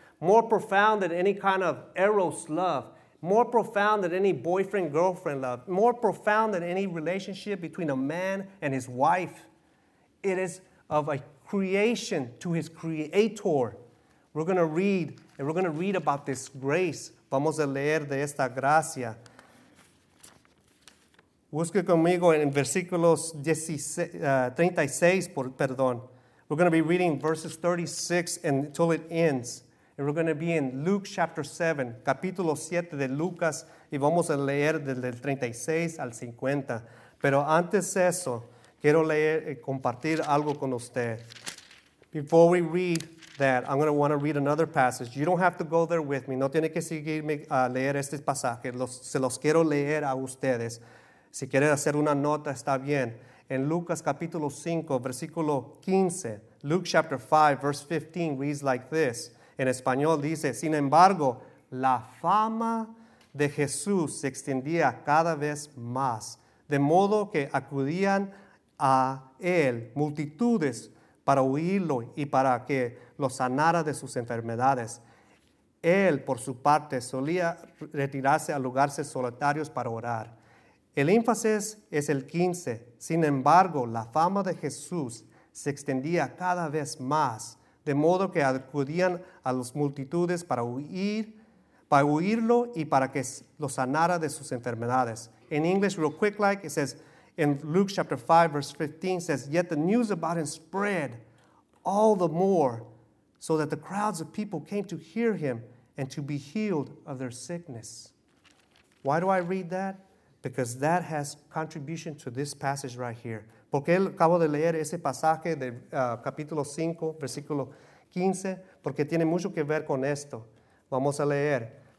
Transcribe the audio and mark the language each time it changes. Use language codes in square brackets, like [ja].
[en] more profound than any kind of Eros love, more profound than any boyfriend-girlfriend love, more profound than any relationship between a man and his wife. It is of a creation to his creator. We're going to read, and we're going to read about this grace. [es] Vamos a leer de esta gracia. Busque conmigo en versículos 36, perdón. [en] We're going to be reading verses 36 until it ends. And we're going to be in Luke chapter 7, [es] capítulo 7 de Lucas. Y vamos a leer desde el 36 al 50. Pero antes de eso, quiero leer y compartir algo con usted. [en] Before we read that, I'm going to want to read another passage. You don't have to go there with me. [es] No tiene que seguirme a leer este pasaje. Se los quiero leer a ustedes. Si quiere hacer una nota, está bien. En Lucas capítulo 5, versículo 15, [en] Luke chapter 5, verse 15, reads like this. [es] En español dice, sin embargo, la fama de Jesús se extendía cada vez más, de modo que acudían a él multitudes para oírlo y para que lo sanara de sus enfermedades. Él, por su parte, solía retirarse a lugares solitarios para orar. El énfasis es el 15. Sin embargo, la fama de Jesús se extendía cada vez más, de modo que acudían a las multitudes para oírlo y para que lo sanara de sus enfermedades. [en] In English, real quick, like it says in Luke chapter 5, verse 15, says, yet the news about him spread all the more so that the crowds of people came to hear him and to be healed of their sickness. Why do I read that? Because that has contribution to this passage right here. [es] Porque acabo de leer ese pasaje de capítulo 5, versículo 15, porque tiene mucho que ver con esto. Vamos a leer.